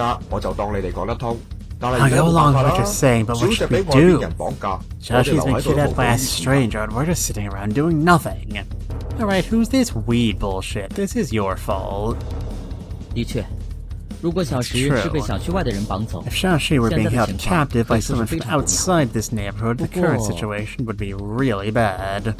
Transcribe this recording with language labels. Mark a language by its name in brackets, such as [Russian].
[English] How long are you saying, but what should we do? Joshi's been kidnapped by a stranger and we're just sitting around doing nothing. Alright, who's this weed bullshit? This is your fault. [Chinese] 的确，如果小石是被小区外的人绑走， [English] If Joshi were being held captive by someone from outside this neighborhood, the current situation would be really bad.